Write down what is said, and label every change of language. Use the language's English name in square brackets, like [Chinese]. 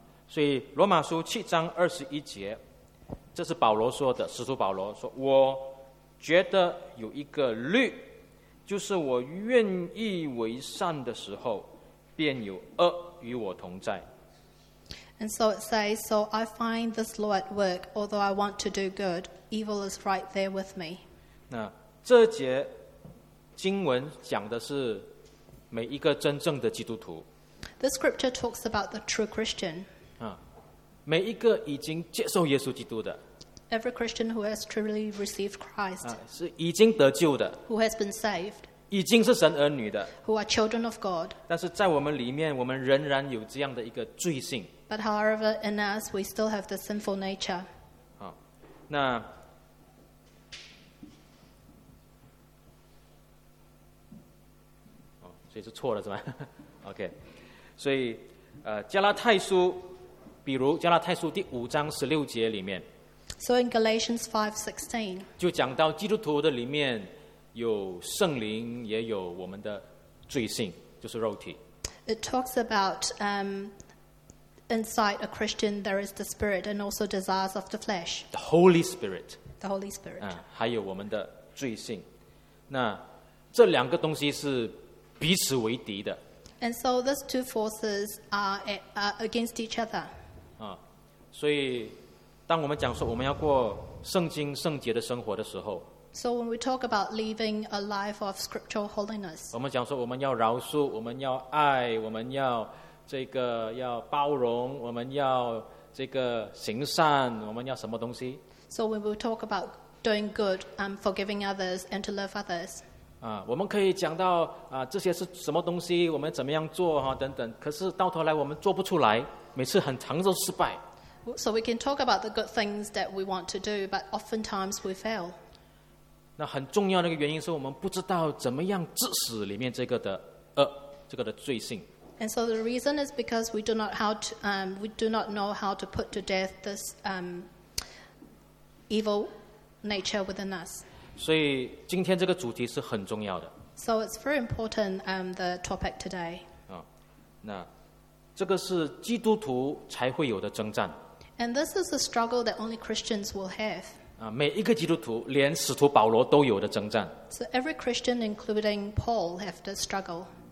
[English] So, [Chinese] 罗马书七章二十一节，这是保罗说的，使徒保罗说，我觉得有一个律，就是我愿意为善的时候，便有恶与我同在。 [English] And so it says, so I find this law at work, although I want to do good, evil is right there with me. [Chinese] 那这节经文讲的是每一个真正的基督徒。 [English] This scripture talks about the true Christian. [Chinese] 啊，每一个已经接受耶稣基督的。 [English] Every Christian who has truly received Christ. [Chinese] 啊，是已经得救的。 [English] Who has been saved. [Chinese] 已经是神儿女的。 [English] Who are children of God. [Chinese] 但是在我们里面，我们仍然有这样的一个罪性。 [English] But however, in us, we still have the sinful nature. [Chinese] 好，那哦，所以是错了是吧 ？OK， 所以加拉太书，比如加拉太书第五章十六节里面 [English] ，So in Galatians 5:16， [Chinese] 就讲到基督徒的里面有圣灵，也有我们的罪性，就是肉体。 [English] It talks about Inside a Christian, there is the spirit and also desires of the flesh. The Holy Spirit. The Holy Spirit. [Chinese] 啊，还有我们的罪性。那这两个东西是彼此为敌的。 [English] And so these two forces are against each other. [Chinese] 啊，所以当我们讲说我们要过圣经圣洁的生活的时候 [English] ，So when we talk about living a life of scriptural holiness, [Chinese] 我们讲说我们要饶恕，我们要爱，我们要这个要包容，我们要这个行善，我们要什么东西 [English] ？So we will talk about doing good, forgiving others, and to love others. [Chinese] 啊，我们可以讲到啊，这些是什么东西，我们怎么样做哈、啊，等等。可是到头来我们做不出来，每次很常都失败。 [English] So we can talk about the good things that we want to do, but oftentimes we fail. [Chinese] 那很重要的一个原因是我们不知道怎么样致使里面这个的恶这个的罪性。 [English] And so the reason is because we do not how to, we do not know how to put to death this evil nature within us. [Chinese] 所以今天这个主题是很重要的。 [English] So it's very important the topic today. [Chinese] 那这个是基督徒才会有的征战。 [English] And this is a struggle that only Christians will have. [Chinese] 每一个基督徒连使徒保罗都有的征战。 [English] So every Christian including Paul have the struggle.